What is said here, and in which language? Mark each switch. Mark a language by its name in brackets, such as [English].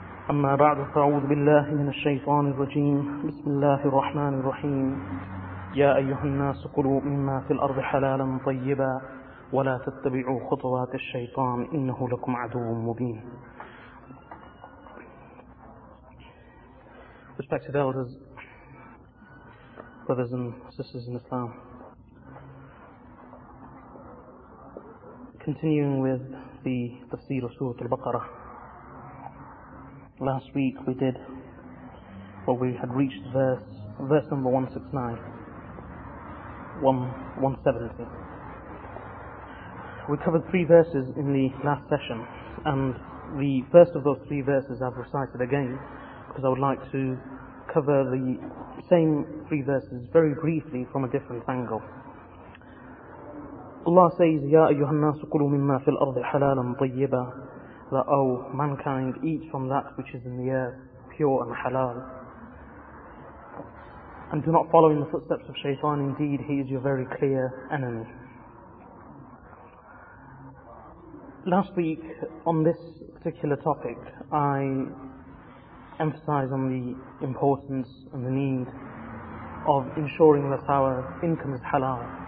[Arabic] أما بعد، فأعوذ بالله من الشيطان الرجيم. بسم الله الرحمن الرحيم. يا أيها الناس كلوا مما في الأرض حلالا طيبا ولا تتبعوا خطوات الشيطان إنه لكم عدو مبين. [English] Respected elders, brothers and sisters in Islam, continuing with the tafsir of Surah Al-Baqarah, last week we did, well, we had reached verse number 169, 170. We covered three verses in the last session, and the first of those three verses I've recited again, because I would like to cover the same three verses very briefly from a different angle. Allah says, [Arabic] يَا أَيُّهَا النَّاسُ كُلُوا مِمَّا فِي الْأَرْضِ حَلَالًا طَيِّبًا. [English] That, O mankind, eat from that which is in the earth, pure and halal. And do not follow in the footsteps of shaitan, indeed he is your very clear enemy. Last week, on this particular topic, I emphasize on the importance and the need of ensuring that our income is halal.